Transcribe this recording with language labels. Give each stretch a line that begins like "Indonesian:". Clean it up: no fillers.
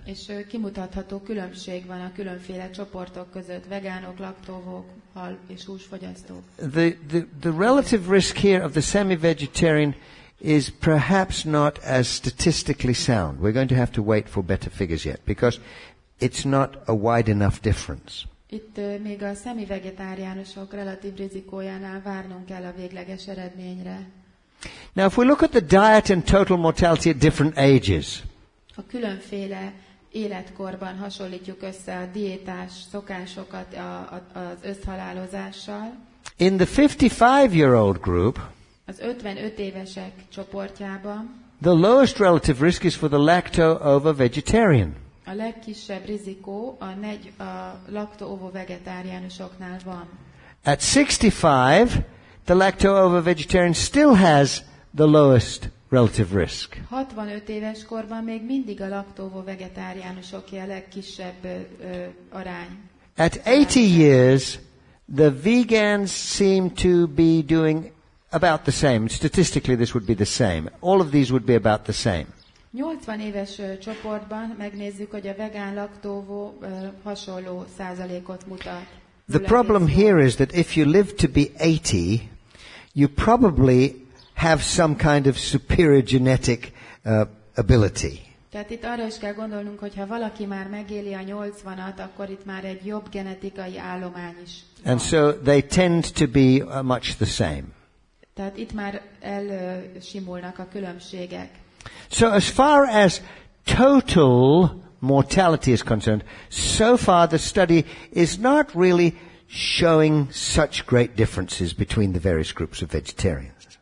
Hungarian: És kimutatható különbség van a különféle csoportok között, vegánok, laktóvók, hal és húsfogyasztók.
English: The relative risk here of the semi-vegetarian is perhaps not as statistically sound. We're going to have to wait for better figures yet, because it's not a wide enough difference.
Hungarian: Itt még a semi-vegetáriánusok relatív rizikójánál várnunk kell a végleges eredményre.
English: Now, if we look at the diet and total mortality at different ages,
Hungarian: a különféle életkorban hasonlítjuk össze a diétás szokásokat az összhalálozással.
English: In the 55-year-old group,
Hungarian: az 55 évesek csoportjában,
English: the lowest relative risk is for the lacto-ovo-vegetarian.
Hungarian: A legkisebb rizikó a lacto-ovo-vegetáriánusoknál van.
English: At 65, the lacto-ovo-vegetarian still has the lowest relative risk.
Hungarian: 65 éves korban még mindig a lacto-ovo-vegetáriánusoké a legkisebb arány.
English: At 80 years, the vegans seem to be doing about the same. Statistically, this would be the same. All of these would be about the same.
Hungarian: 80 éves csoportban megnézzük, hogy a vegán laktóvó hasonló százalékot mutat.
English: The problem here is that if you live to be 80, you probably have some kind of superior genetic ability.
Hungarian: Tehát itt arra is kell gondolnunk, hogy ha valaki már megéli a 80-at, akkor itt már egy jobb genetikai állomány is.
English: And so they tend to be much the same.
Hungarian: Tehát itt már elsimulnak a különbségek.
English: So as far as total mortality is concerned, so far the study is not really showing such great differences between the various groups of vegetarians.